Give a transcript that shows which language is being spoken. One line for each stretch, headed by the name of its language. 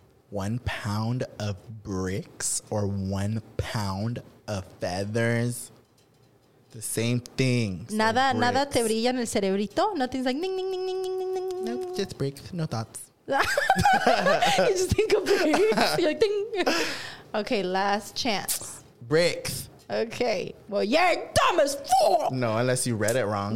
English: 1 pound of bricks or 1 pound of feathers? The same thing.
Spanish: Nada, so nada te brilla en el cerebrito.
English: Nothing's like ning, ning, ning, ning, ning, ning, ning. Nope, just bricks. No thoughts. You just think of bricks. You're like, ding. Okay, last chance. Bricks. Okay. Well, you're dumb as fuck. No, unless you read it wrong.